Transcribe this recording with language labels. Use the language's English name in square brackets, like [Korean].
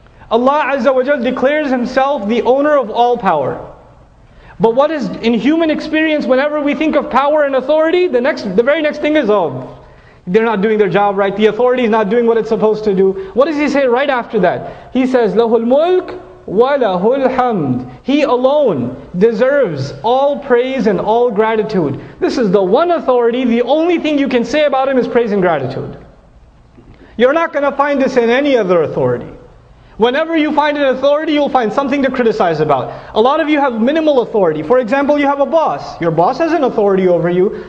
[English] Allah Azza wa Jalla declares Himself the owner of all power. But what is, in human experience, whenever we think of power and authority, the very next thing is, oh, they're not doing their job right, the authority is not doing what it's supposed to do. What does He say right after that? He says, [Arabic] لَهُ الْمُلْكُ وَلَهُ الْحَمْدُ. [English] He alone deserves all praise and all gratitude. This is the one authority, the only thing you can say about Him is praise and gratitude. You're not going to find this in any other authority. Whenever you find an authority, you'll find something to criticize about. A lot of you have minimal authority. For example, you have a boss. Your boss has an authority over you.